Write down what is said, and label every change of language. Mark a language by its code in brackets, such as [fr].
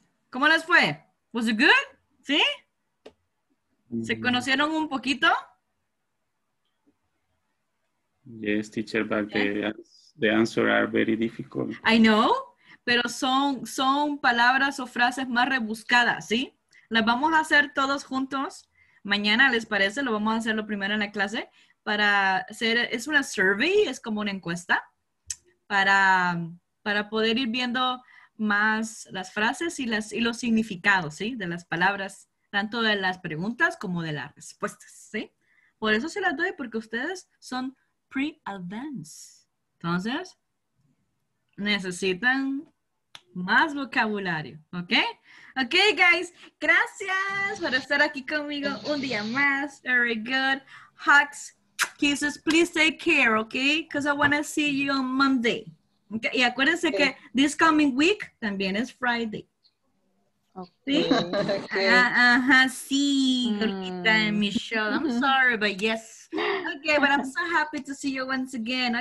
[es] ¿Cómo les fue? [en] Was it good? [es] ¿Sí? ¿Se conocieron un poquito? [en] Yes, teacher, but the answer are very difficult. I know, [es] pero son palabras o frases más rebuscadas, ¿sí? Las vamos a hacer todos juntos mañana, ¿les parece? Lo vamos a hacer lo primero en la clase para hacer, es una survey, es como una encuesta para poder ir viendo más las frases y las y los significados, ¿sí? De las palabras, tanto de las preguntas como de las respuestas, ¿sí? Por eso se las doy, porque ustedes son pre-advanced. Entonces, necesitan más vocabulario, ¿ok? Ok, guys, gracias por estar aquí conmigo un día más. [en] Very good. Hugs, kisses, please take care, ¿ok? Because I want to see you on Monday. Okay. [es] Y acuérdense [en] okay. [es] Que [en] this coming week [es] también es [en] Friday. [es] Sí, gordita en mi show. [en] I'm sorry, but yes. Okay, but I'm so happy to see you once again.